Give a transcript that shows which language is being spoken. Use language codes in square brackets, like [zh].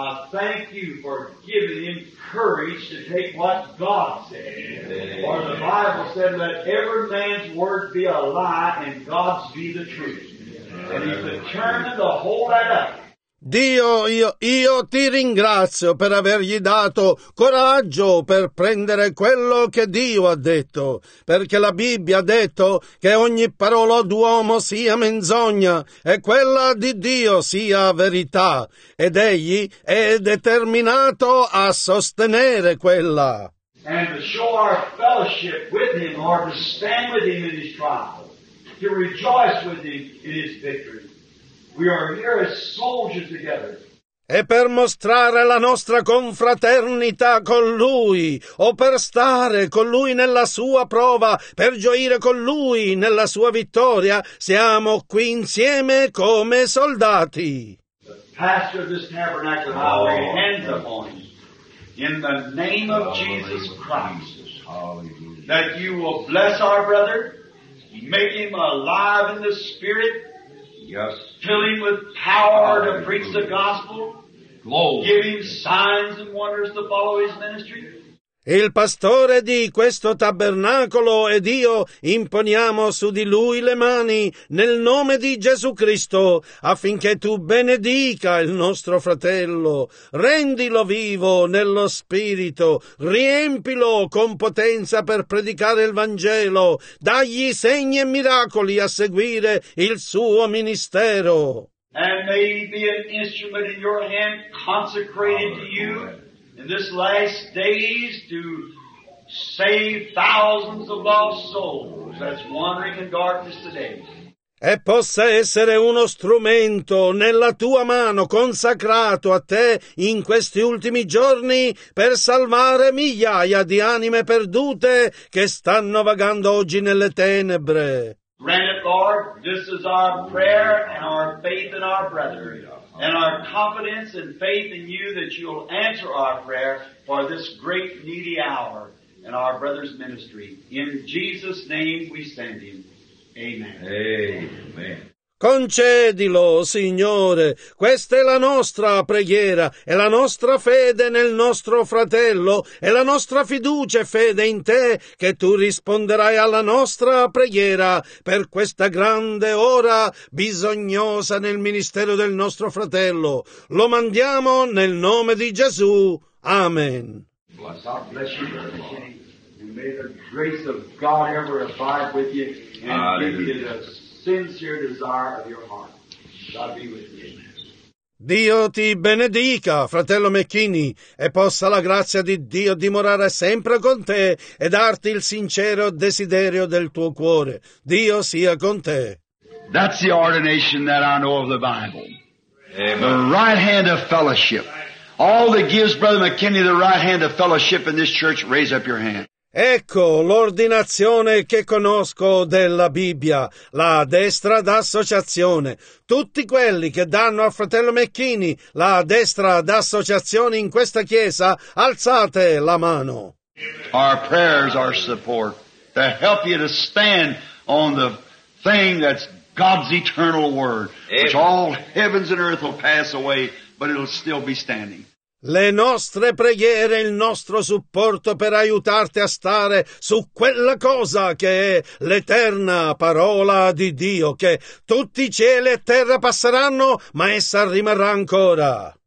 [en] Thank you for giving him courage to take what God said. Amen. For the Bible said, let every man's word be a lie and God's be the truth. Amen. And he's determined to hold that up. [it] Dio, io ti ringrazio per avergli dato coraggio per prendere quello che Dio ha detto, perché la Bibbia ha detto che ogni parola d'uomo sia menzogna e quella di Dio sia verità, ed egli è determinato a sostenere quella. [en] And to show our fellowship with him, or to stand with him in his trials, to rejoice with him in his victory. We are here as soldiers together. [it] E per mostrare la nostra confraternita con lui, o per stare con lui nella sua prova, per gioire con lui nella sua vittoria, siamo qui insieme come soldati. [en] The pastor of this tabernacle, I lay hands upon you in the name of Jesus Christ, that you will bless our brother, make him alive in the spirit. Yes. Fill him with power to preach the gospel. Glory. Give him signs and wonders to follow his ministry. [it] Il pastore di questo tabernacolo ed io imponiamo su di lui le mani nel nome di Gesù Cristo affinché tu benedica il nostro fratello, rendilo vivo nello spirito, riempilo con potenza per predicare il Vangelo, dagli segni e miracoli a seguire il suo ministero. [en] And may he be an instrument in your hand consecrated to you. In this last days to save thousands of lost souls that's wandering in darkness today. [it] E possa essere uno strumento nella tua mano consacrato a te in questi ultimi giorni per salvare migliaia di anime perdute che stanno vagando oggi nelle tenebre. [en] Grant it, Lord, this is our prayer and our faith in our brethren. And our confidence and faith in you that you'll answer our prayer for this great needy hour in our brother's ministry. In Jesus' name we send him. Amen. Amen. [it] Concedilo, Signore, questa è la nostra preghiera, è la nostra fede nel nostro fratello, è la nostra fiducia e fede in te, che tu risponderai alla nostra preghiera per questa grande ora bisognosa nel ministero del nostro fratello. Lo mandiamo nel nome di Gesù. Amen. [en] Bless you, Lord. And may the grace of God ever abide with you and give you the sincere desire of your heart. God be with you. [it] Dio ti benedica, fratello McKinney, e possa la grazia di Dio dimorare sempre con te e darti il sincero desiderio del tuo cuore. Dio sia con te. [en] That's the ordination that I know of the Bible. Amen. The right hand of fellowship. All that gives Brother McKinney the right hand of fellowship in this church, raise up your hand. [it] Ecco l'ordinazione che conosco della Bibbia, la destra d'associazione. Tutti quelli che danno al fratello McKinney la destra d'associazione in questa chiesa, alzate la mano. [en] Our prayers are support to help you to stand on the thing that's God's eternal word, which all heavens and earth will pass away, but it'll still be standing. [it] Le nostre preghiere, il nostro supporto per aiutarti a stare su quella cosa che è l'eterna parola di Dio, che tutti cieli e terra passeranno, ma essa rimarrà ancora.